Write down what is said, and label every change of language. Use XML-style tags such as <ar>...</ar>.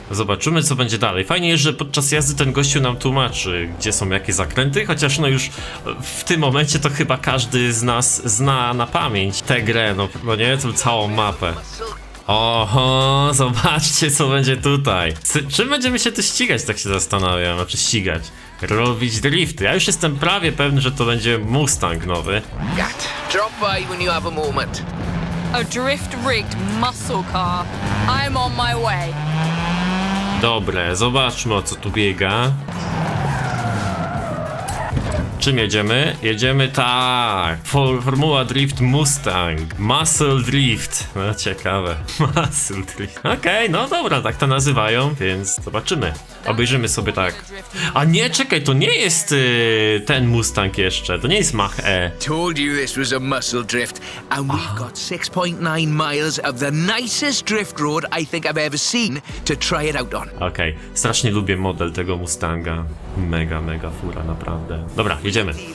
<pl>Zobaczymy, co będzie dalej. Fajnie jest, że podczas jazdy ten gościu nam tłumaczy, gdzie są jakie zakręty, chociaż no już w tym momencie to chyba każdy z nas zna na pamięć tę grę, no, no nie, tą całą mapę. Oho, zobaczcie, co będzie tutaj. Czym będziemy się tu ścigać, tak się zastanawiam, znaczy ścigać. Robić drifty. Ja już jestem prawie pewny, że to będzie Mustang nowy.</pl> <en>Gat, drop by when you have a moment. A drift-rigged muscle car. I'm on my way.</en> <pl>Dobre, zobaczmy, o co tu biega. Czym jedziemy? Jedziemy tak. Formuła Drift Mustang. Muscle Drift. No, ciekawe. Muscle Drift. Okej, okay, no dobra, tak to nazywają, więc zobaczymy. Obejrzymy sobie tak. A nie, czekaj, to nie jest ten Mustang jeszcze. To nie jest Mach E.</pl> <en>Told you this was a muscle drift. And we've got 6.9 miles of the nicest drift road I think I've ever seen to try it out on.</en> <pl>Okej, okay. Strasznie lubię model tego Mustanga. Mega, mega fura, naprawdę. Dobra. Jedziemy.</pl>